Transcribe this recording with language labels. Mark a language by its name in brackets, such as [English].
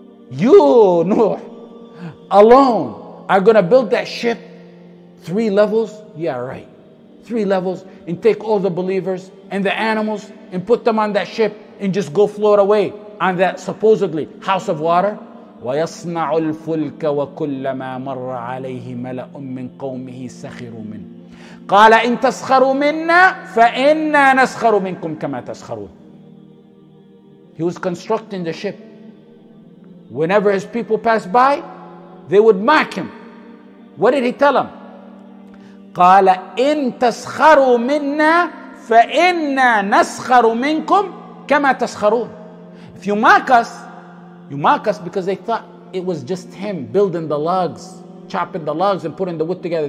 [English] You, Noah, alone, are going to build that ship three levels? Yeah, right. Three levels and take all the believers and the animals and put them on that ship and just go float away on that supposedly house of water. [Arabic] وَيَصْنَعُ الْفُلْكَ وَكُلَّمَا مَرَّ عَلَيْهِ مَلَأٌ مِّن قَوْمِهِ سَخِرُوا مِنْهِ قَالَ إِن تَسْخَرُوا مِنَّا فَإِنَّا نَسْخَرُوا مِنْكُمْ كَمَا تَسْخَرُونَ. [English] He was constructing the ship. Whenever his people passed by, they would mock him. What did he tell them? [Arabic] قَالَ إِن تَسْخَرُوا مِنَّا فَإِنَّا نَسْخَرُوا مِنْكُمْ كَمَا تَسْخَرُونَ. [English] If you mock us, you mock us because they thought it was just him building the logs, chopping the logs and putting the wood together.